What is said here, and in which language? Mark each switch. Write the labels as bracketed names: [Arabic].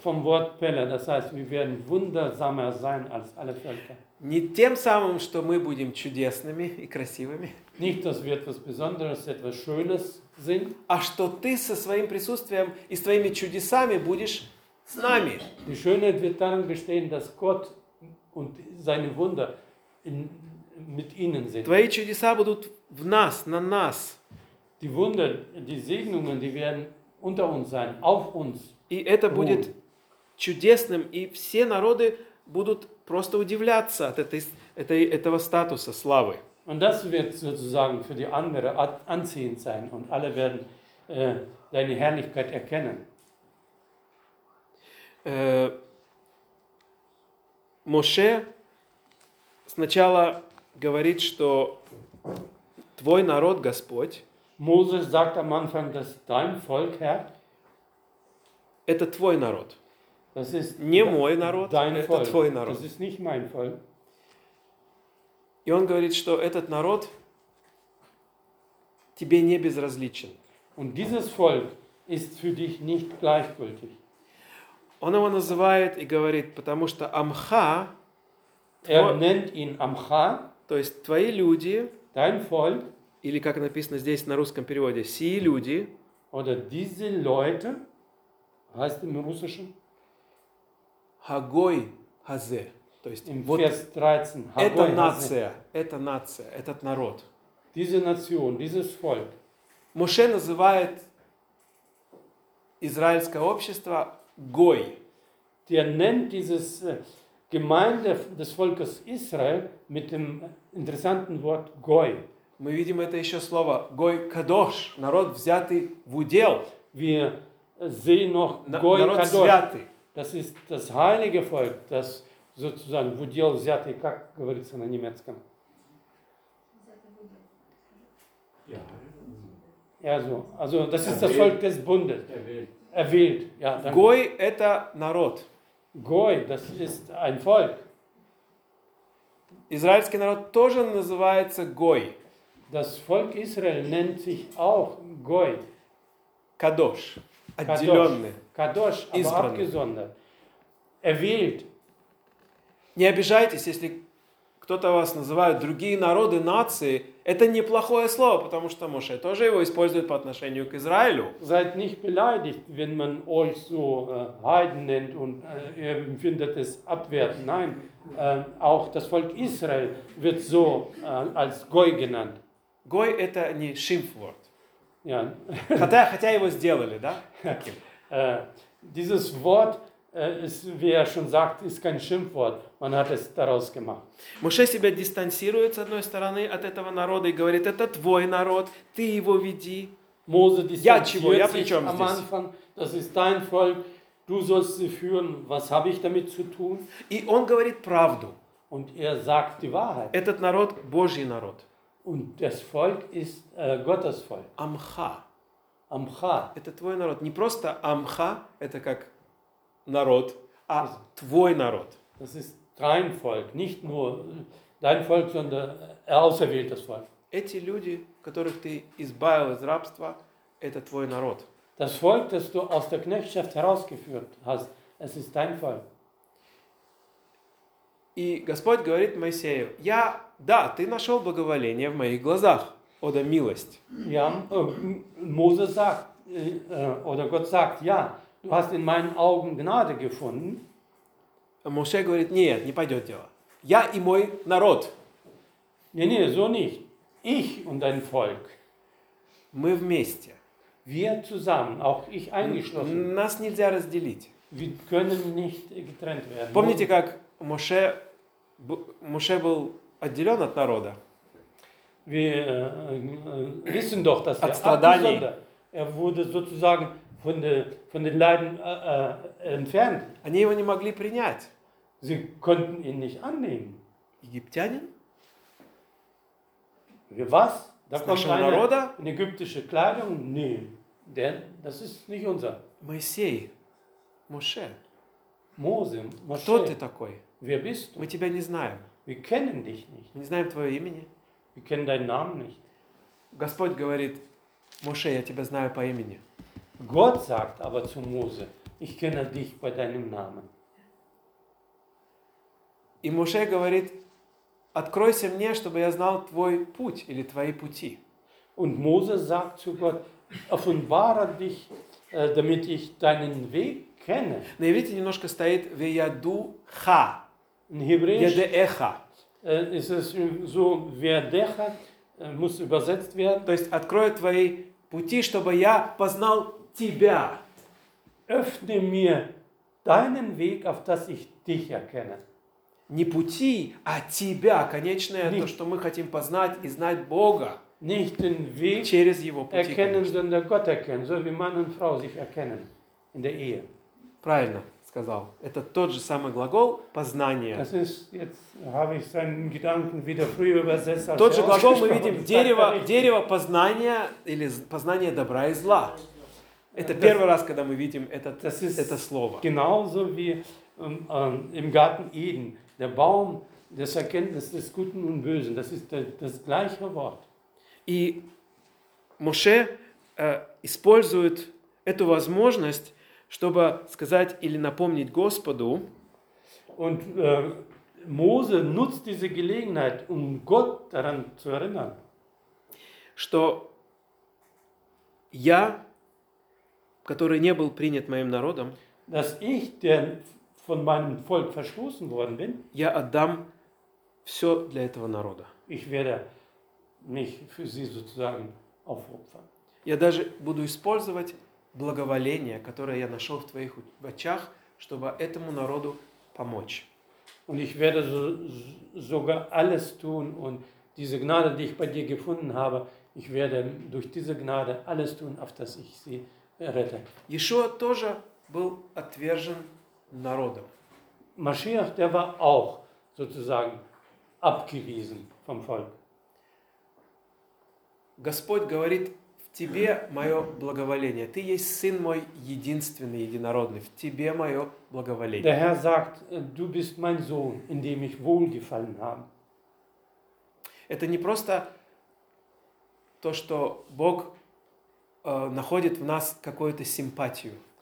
[German] Vom Wort Pelle, das heißt, wir werden wundersamer sein als alle Völker. [Russian] Не тем самым, что мы будем чудесными и красивыми. [German] Nicht, dass wir etwas Besonderes, etwas Schönes sind. [Russian] А что ты со своим присутствием и с твоими чудесами будешь с нами. [German] Die Schönheit wird darin bestehen, dass Gott und seine Wunder mit ihnen sind. [Russian] Твои чудеса будут в нас, на нас. [German] Die Wunder, die Segnungen, die werden unter uns sein, auf uns. [Russian] И это будет чудесным, и все народы будут просто удивляться от этого статуса славы. [German] Und das wird sozusagen für die andere anziehend sein, und alle werden deine Herrlichkeit erkennen. [Russian] Моше сначала говорит, что твой народ, Господь, [German] Moses sagt am Anfang, dass dein Volk, Herr, [Russian] это твой народ. [German] Das ist [Russian] не мой народ, [German] dein [Russian] это [German] Volk. [Russian] Твой народ. [German] Das ist nicht mein Volk. [Russian] И он говорит, что этот народ тебе не безразличен. [German] Und dieses Volk ist für dich nicht gleichgültig. [Russian] Он его называет и говорит, потому что Амха, [German] nennt ihn Amcha, [Russian] то есть твои люди, [German] dein Volk, [Russian] или как написано здесь на русском переводе, сии люди, [German] oder diese Leute, heißt im Russischen [Russian] Hagoi Haze. То есть [German] im [Russian] вот [German] Vers 13, [Russian] Hagoi это Haze. Нация, это нация, этот народ. [German] Diese Nation, dieses Volk. [Russian] Моше называет израильское общество Гой. [German] Der nennt dieses Gemeinde des Volkes Israel mit dem interessanten Wort Goy. [Russian] Мы видим это еще слово Гой Кадош, народ взятый в удел. [German] Wir sehen noch Goy Kadosh. Das ist das heilige Volk, das sozusagen [Russian] в удел взятый, как говорится на немецком. [German] Ja. Also das ist das Volk des Bundes. Erwählt. Ja, [Russian] Гой – это народ. [German] Гой – das ist ein Volk. [Russian] Израильский народ тоже называется Гой. [German] Das Volk Israel nennt sich auch Гой. [Russian] Кадош. Отделенный. [German] Кадош, aber abgesondert. Erwählt. [Russian] Не обижайтесь, если кто-то вас называет другие народы, нации. Это неплохое слово, потому что Моше тоже его использует по отношению к Израилю. [German] Seid nicht beleidigt, wenn man euch so Heiden nennt und ihr empfindet es abwertend. Nein, auch das Volk Israel wird so als Goy genannt. [Russian] Goy – это не [German] Schimpfwort. Ja. [Russian] Хотя его сделали, да? [German] Dieses Wort, wie er schon sagt, ist kein Schimpfwort. Man hat es daraus gemacht. [Russian] Моше себя дистанцирует с одной стороны от этого народа и говорит: это твой народ, ты его веди. [German] Мозе дистанцирует sich am Anfang. Das ist dein Volk, du sollst sie führen. Was habe ich damit zu tun? [Russian] И он говорит правду. [German] Und er sagt die Wahrheit. [Russian] Этот народ Божий народ. [German] Und das Volk ist Gottes Volk. [Russian] Амха. Амха. Это твой народ. Не просто Амха, это как народ, а твой народ. [German] Das ist dein Volk, nicht nur dein Volk, sondern auserwähltes Volk. [Russian] которых ты избавил из рабства, это твой народ. [German] Das Volk, das du aus der Knechtschaft herausgeführt hast, es ist dein Volk. [Russian] И Господь говорит Моисею: Я, да, ты нашел благоволение в моих глазах, о да милость. Я, [German] Мозе sagt, oder Gott sagt, ja, du hast in meinen Augen Gnade gefunden. [Russian] Моше говорит: Нет, не пойдет дело. Я и мой народ. Не-не, [German] so nicht. Ich und dein Volk. [Russian] Мы вместе. [German] Wir zusammen, auch ich eingeschlossen. [Russian] Нас нельзя разделить. [German] Wir können nicht getrennt werden. [Russian] Помните, как Моше, Моше был отделен от народа? [German] Wir wissen doch, dass [Russian] от страданий. [German] Er wurde sozusagen von den Leiden entfernt. [Russian] Они его не могли принять. [German] Sie konnten ihn nicht annehmen. [Russian] Египтянин? [German] Was? Da [Russian] с нашего народа? [German] Eine ägyptische Kleidung? Nein. Denn das ist nicht unser. [Russian] Моисей, Моше. Мозе, Моше. Кто ты такой? [German] Wer bist du? [Russian] Мы тебя не знаем. [German] Wir kennen dich nicht. [Russian] Не знаем твоего имени. [German] Wir kennen deinen Namen nicht. [Russian] Господь говорит: Моше, я тебя знаю по имени. [German] Gott sagt aber zu Mose: Ich kenne dich bei deinem Namen. [Russian] И Моше говорит: Откройся мне, чтобы я знал твой путь или твои пути. [German] Und Mose sagt zu Gott: Offenbare dich, damit ich deinen Weg kenne. [Russian] На иврите немножко стоит веядуха. [German] In Hebräisch. Ядеха. Ist es so, веядеха muss übersetzt werden. [Russian] То есть открой твои пути, чтобы я познал тебя. [German] Öffne mir deinen Weg, auf dass ich dich erkenne. [Russian] Не пути, а тебя, конечное, то, что мы хотим познать и знать Бога. [German] Nicht den Weg [Russian] через его пути, [German] erkennen, sondern Gott erkennen, so wie Mann und Frau sich erkennen in der Ehe. [Russian] Правильно сказал. Это тот же самый глагол познания. [German] Das ist, jetzt habe ich seinen Gedanken wieder früher übersetzt. [Russian] Тот же глагол мы видим, дерево познания или познание добра и зла. Это [German] das, [Russian] первый раз, когда мы видим этот, [German] das ist [Russian] это слово. [German] Genauso wie im Garten Eden, der Baum des Erkenntnisses des Guten und Bösen. Das ist das gleiche Wort. [Russian] И Моше использует эту возможность, чтобы сказать или напомнить Господу. [German] Und Mose nutzt diese Gelegenheit, um Gott daran zu erinnern, [Russian] что я, который не был принят моим народом, [German] dass ich, der von meinem Volk verstoßen worden bin, [Russian] я отдам все для этого народа. [German] Ich werde mich für sie sozusagen aufopfern. [Russian] Я даже буду использовать благоволение, которое я нашел в твоих очах, чтобы этому народу помочь. [German] Und ich werde sogar alles tun und diese Gnade, die ich bei dir gefunden habe, ich werde durch diese Gnade alles tun, auf dass ich sie errette. [Russian] Yeshua тоже был отвержен народом. [German] Mashiach, der war auch sozusagen abgewiesen vom Volk. [Russian] Господь говорит: в тебе мое благоволение. Ты есть сын мой единственный, единородный. В тебе мое благоволение. [German] Der Herr sagt: Du bist mein Sohn, in dem ich wohlgefallen habe. [Russian] Это не просто то, что Бог находит в нас какую-то симпатию.